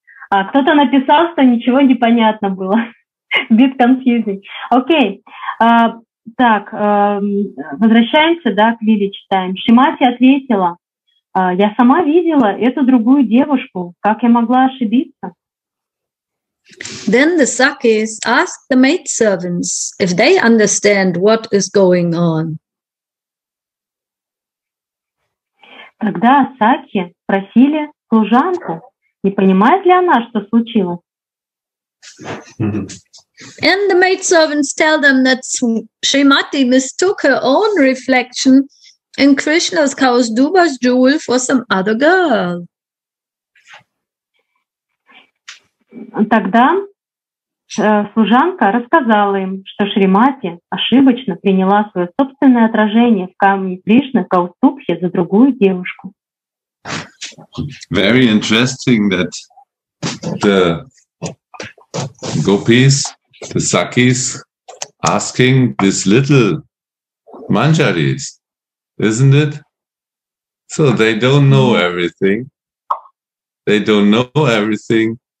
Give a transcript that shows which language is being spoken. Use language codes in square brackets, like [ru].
[ru] Кто-то написал, что ничего не понятно было. [en] Bit confusing. Окей. [ru] Возвращаемся, да, к Лиле читаем. Шимати ответила, я сама видела эту другую девушку. Как я могла ошибиться? [en] Then the Sakis ask the maidservants if they understand what is going on. [ru] Тогда Саки спросили служанку, не понимает ли она, что случилось. [en] And the maidservants tell them that Shrimati mistook her own reflection in Krishna's Kausdubha's jewel for some other girl. [ru] Тогда служанка рассказала им, что Шримати ошибочно приняла свое собственное отражение в камне Кришны Каустубхи за другую девушку. [en] Very interesting that the gopis, the sakis, asking this little manjaris, isn't it? So they don't know everything. They don't know everything.